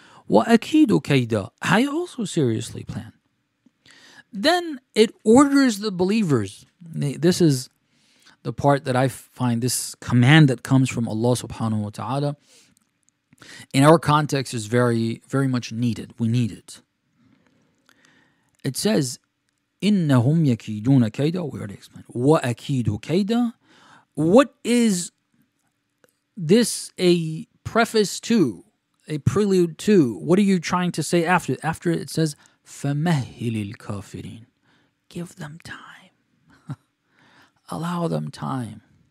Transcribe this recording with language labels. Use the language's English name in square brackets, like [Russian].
[Arabic] وَأَكِيدُ كَيْدًا. [English] I also seriously plan. Then it orders the believers. This is the part that I find, this command that comes from Allah subhanahu wa ta'ala, in our context is very, very much needed. We need it. It says, [Arabic] إِنَّهُمْ يَكِيدُونَ كَيْدًا. [English] We already explained. [Arabic] وَأَكِيدُ كَيْدًا. [English] What is this a preface to, a prelude to? What are you trying to say after? After it says, [Arabic] فَمَهِّلِ الْكَافِرِينَ. [English] Give them time. Allow them time.